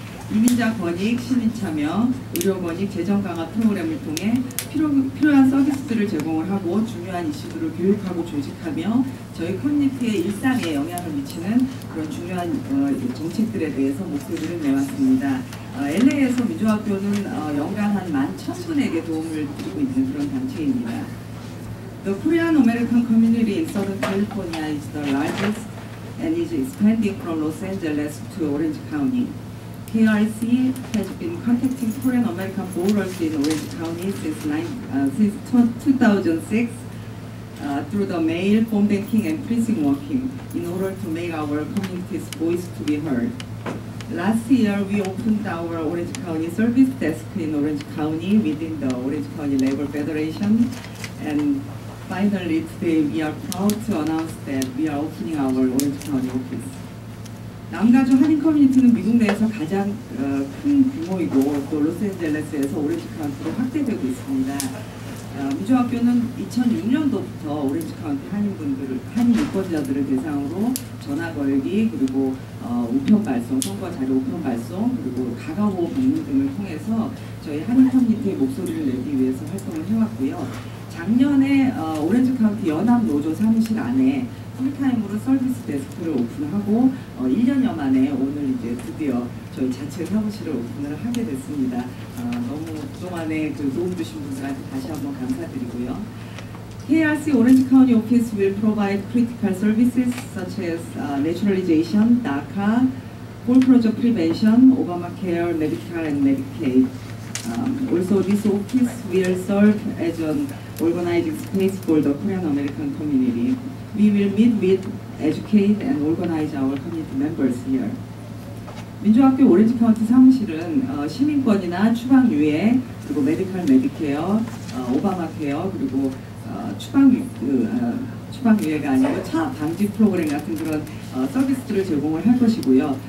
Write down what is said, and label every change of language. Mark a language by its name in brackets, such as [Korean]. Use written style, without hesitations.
[Korean] 이민자 권익, 시민 참여, 의료 권익, 재정 강화 프로그램을 통해 필요한 서비스들을 제공을 하고 중요한 이슈들을 교육하고 조직하며 저희 커뮤니티의 일상에 영향을 미치는 그런 중요한 정책들에 대해서 목소리를 내왔습니다. LA에서 민주학교는 연간 한 11,000분에게 도움을 드리고 있는 그런 단체입니다. [English] The Korean American Community in Southern California is the largest and is expanding from Los Angeles to Orange County. KRC has been contacting Korean American voters in Orange County since 2006 through the mail, phone banking, and precinct walking in order to make our community's voice to be heard. Last year, we opened our Orange County service desk in Orange County within the Orange County Labor Federation. And finally, today, we are proud to announce that we are opening our Orange County office. [Korean] 남가주 한인 커뮤니티는 미국 내에서 가장 큰 규모이고 또 로스앤젤레스에서 오렌지 카운티로 확대되고 있습니다. 민주학교는 2006년도부터 오렌지 카운티 한인분들을 한인 유권자들을 대상으로 전화 걸기 그리고 우편 발송, 선거 자료 우편 발송 그리고 가가호 방문 등을 통해서 저희 한인 커뮤니티의 목소리를 내기 위해서 활동을 해왔고요. 작년에 오렌지 카운티 연합 노조 사무실 안에 풀타임으로 서비스 데스크를 오픈하고 1년여 만에 오늘 이제 드디어 저희 자체 사무실을 오픈을 하게 됐습니다. 너무 그동안에 그 도움 주신 분들한테 다시 한번 감사드리고요. [English] KRC Orange County Office will provide critical services such as naturalization, DACA, full project prevention, Obamacare, Medicare, and Medicaid. Also, this office will serve as an organizing space for the Korean American community. We will meet with educate and organize our community members here. [Korean] 민주학교 오렌지 카운티 사무실은 시민권이나 추방 유예, 그리고 메디컬 메디케어, 오바마 케어, 그리고 추방 유예가 아니고 차 방지 프로그램 같은 그런 서비스들을 제공을 할 것이고요.